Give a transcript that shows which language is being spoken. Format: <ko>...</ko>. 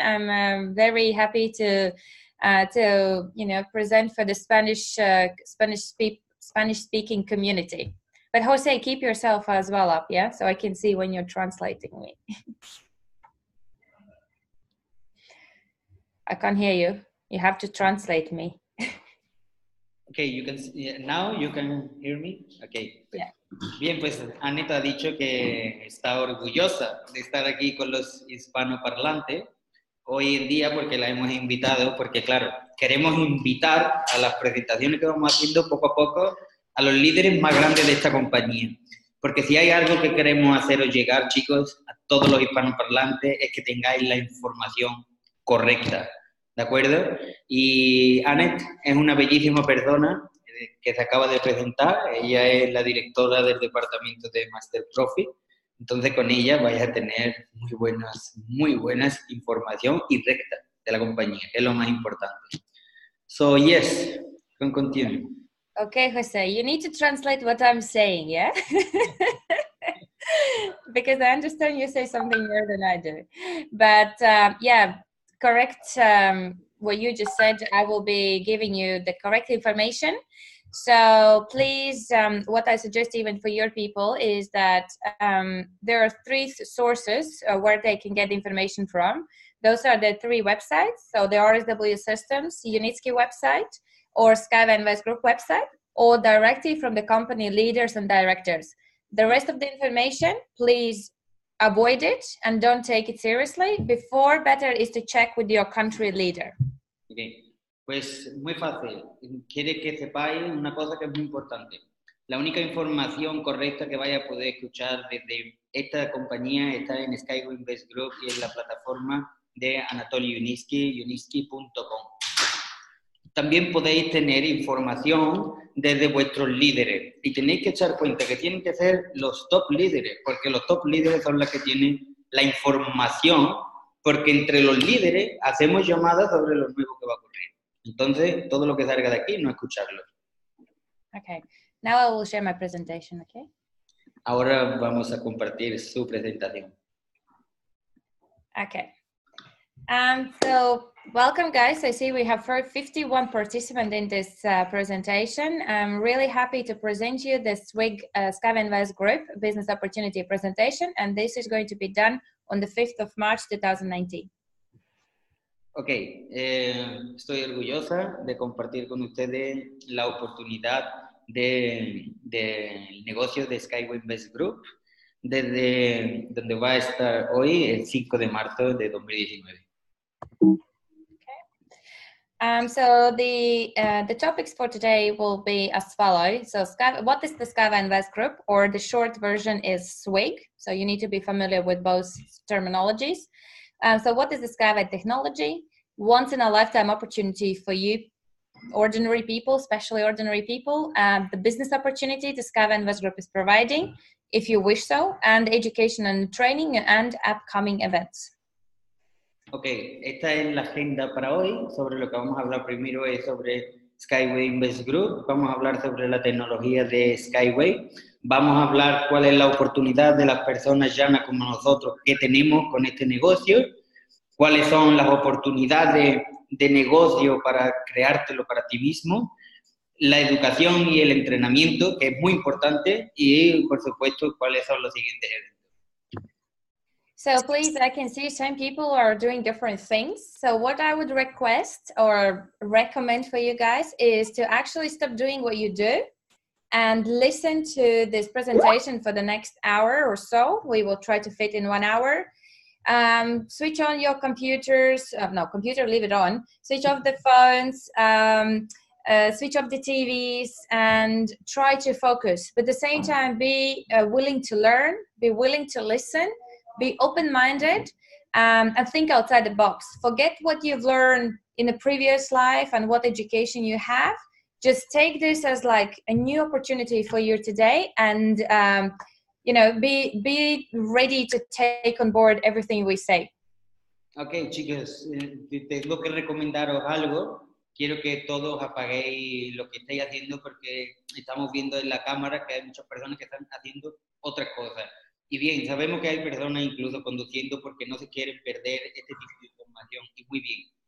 <en>I'm very happy to you know, present for the Spanish speaking community. But Jose, keep yourself as well up, yeah? So I can see when you're translating me. I can't hear you. You have to translate me. Okay, you can see, now you can hear me? Okay. Yeah.</en> <es>Bien, pues Annette ha dicho que está orgullosa de estar aquí con los hispanoparlantes hoy en día porque la hemos invitado, porque claro, queremos invitar a las presentaciones que vamos haciendo poco a poco a los líderes más grandes de esta compañía. Porque si hay algo que queremos haceros llegar, chicos, a todos los hispanoparlantes, es que tengáis la información correcta. ¿De acuerdo? Y Annette es una bellísima persona que se acaba de presentar. Ella es la directora del departamento de Master Profi. Entonces, con ella vais a tener muy buenas información y recta de la compañía. Es lo más importante.</es> <en>So, yes, can continue. Okay, Jose, you need to translate what I'm saying, yeah? Because I understand you say something more than I do. But, correct what you just said. I will be giving you the correct information. So please, what I suggest even for your people is that there are three sources where they can get information from. Those are the three websites. So the RSW Systems, Unitsky website, or SkyWay Invest Group website, or directly from the company leaders and directors. The rest of the information, please avoid it and don't take it seriously. Before, better is to check with your country leader.</en> <es>Okay. Pues muy fácil. Quiere que sepáis una cosa que es muy importante. La única información correcta que vaya a poder escuchar desde esta compañía está en SkyWay Invest Group y en la plataforma de Anatoly Unitsky, unitsky.com. También podéis tener información desde vuestros líderes. Y tenéis que echar cuenta que tienen que ser los top líderes, porque los top líderes son los que tienen la información, porque entre los líderes hacemos llamadas sobre lo nuevo que va a ocurrir. Entonces, todo lo que salga de aquí, no escucharlo.</es> <en>Okay. Now I will share my presentation, okay?</en> <es>Ahora vamos a compartir su presentación.</es> <en>Okay. So welcome guys, I see we have 51 participants in this presentation. I'm really happy to present you the SWIG SkyWay Invest Group business opportunity presentation, and this is going to be done on the 5th of March 2019.</en> <es>Okay, estoy orgullosa de compartir con ustedes la oportunidad del negocio de SkyWay Invest Group desde donde va a estar hoy el 5 de marzo de 2019.</es> <en>So the topics for today will be as follows. So what is the SkyWay Invest Group, or the short version is SWIG. So you need to be familiar with both terminologies. So what is the SkyWay technology? Once in a lifetime opportunity for you, ordinary people, especially ordinary people. The business opportunity the SkyWay Invest Group is providing, if you wish so, and education and training and upcoming events.</en> <es>Ok, esta es la agenda para hoy. Sobre lo que vamos a hablar primero es sobre SkyWay Invest Group. Vamos a hablar sobre la tecnología de SkyWay. Vamos a hablar cuál es la oportunidad de las personas llanas como nosotros que tenemos con este negocio. Cuáles son las oportunidades de negocio para creártelo para ti mismo. La educación y el entrenamiento, que es muy importante. Y, por supuesto, cuáles son los siguientes eventos.</es> <en>So please, I can see some people are doing different things. So what I would request or recommend for you guys is to actually stop doing what you do and listen to this presentation for the next hour or so. We will try to fit in 1 hour. Switch on your computers. Leave it on. Switch off the phones. Switch off the TVs and try to focus. But at the same time, be willing to learn. Be willing to listen. Be open-minded and think outside the box. Forget what you've learned in a previous life and what education you have. Just take this as like a new opportunity for you today and be ready to take on board everything we say.</en> <es>Okay, chicos, tengo que recomendaros algo. Quiero que todos apaguéis lo que estáis haciendo porque estamos viendo en la cámara que hay muchas personas que están haciendo otras cosas. Y bien, sabemos que hay personas incluso conduciendo porque no se quieren perder este tipo de información, y muy bien.</es>